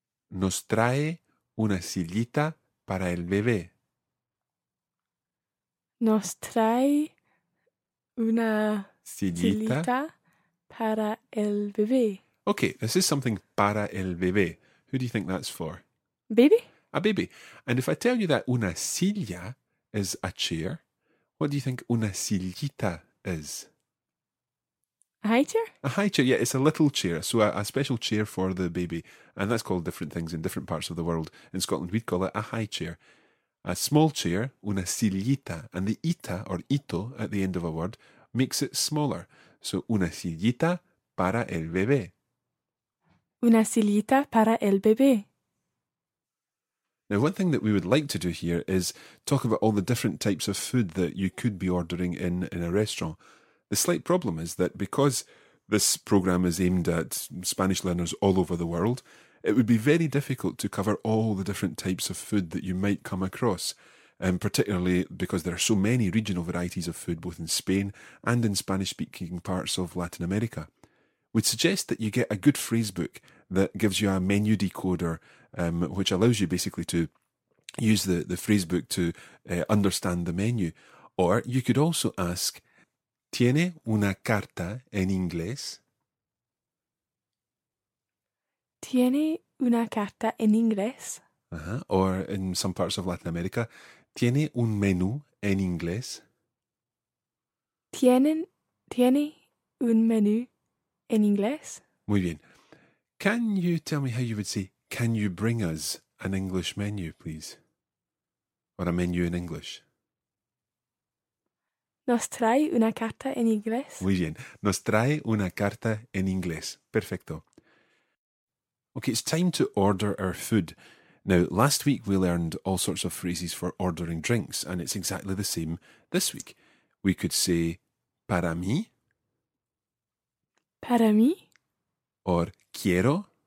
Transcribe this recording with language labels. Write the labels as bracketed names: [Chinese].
[Spanish] Nos trae una sillita para el bebé. Nos trae una sillita para el bebé. [English] Okay, this is something [Spanish] para el bebé. [English] Who do you think that's for? Baby. A baby. And if I tell you that una silla is a chair, what do you think una sillita is? A high chair? A high chair, yeah. It's a little chair. So a special chair for the baby. And that's called different things in different parts of the world. In Scotland, we'd call it a high chair. A small chair, una sillita. And the ita or ito at the end of a word makes it smaller. So [Spanish] una sillita para el bebé. Una sillita para el bebé. [English] Now, one thing that we would like to do here is talk about all the different types of food that you could be ordering in a restaurant. The slight problem is that because this program is aimed at Spanish learners all over the world, it would be very difficult to cover all the different types of food that you might come across, and particularly because there are so many regional varieties of food both in Spain and in Spanish-speaking parts of Latin America. We'd suggest that you get a good phrase book that gives you a menu decoder, which allows you basically to use the phrase book to understand the menu. Or you could also ask, [Spanish] ¿Tiene una carta en inglés? ¿Tiene una carta en inglés? Uh-huh. [English] Or in some parts of Latin America, [Spanish] ¿Tiene un menú en inglés? ¿Tiene un menú en inglés? Muy bien. [English] Can you tell me how you would say, can you bring us an English menu, please? Or a menu in English? [Spanish] Nos trae una carta en inglés. Muy bien. Nos trae una carta en inglés. Perfecto. [English] Okay, it's time to order our food. Now, last week we learned all sorts of phrases for ordering drinks, and it's exactly the same this week. We could say, [Spanish] para mí. Para mí. [English] Or, [Spanish] quiero.